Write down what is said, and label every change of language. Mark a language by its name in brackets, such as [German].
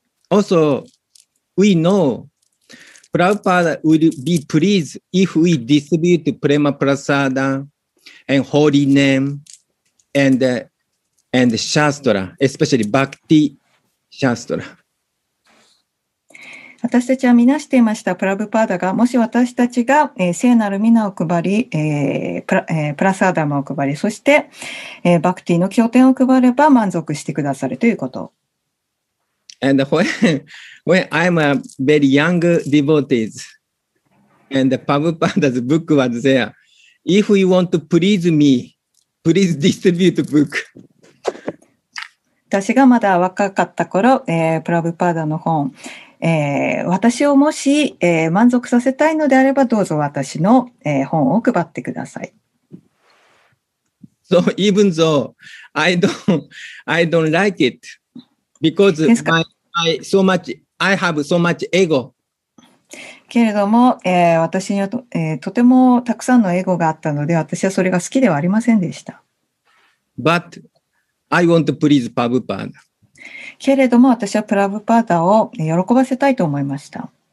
[English] Also we knowPrabhupada will be pleased if we distribute Prema Prasada and Holy Name and Shastra, especially Bhakti Shastra. [Japanese] 私たちはみなしていました。プラブパーダがもし私たちが、聖なる皆を配り、プラサーダもお配り、そして、バクティの経典を配れば満足してくださるということ。 [English] And when I'm a very young devotee, and the Prabhupada's book was there, if you want to please me, please distribute the book. [Japanese] 私がまだ若かった頃、プラブパーダの本、私をもし、満足させたいのであれば、どうぞ私の、本を配ってください。 [English] So even though I don't like it, because I have so much ego. [Japanese] けれども、私には とてもたくさんのエゴがあったので、私はそれが好きではありませんでした。 [English] But I want to please Prabhupada. [Japanese] けれども、私はプラブパーダを喜ばせたいと思いました。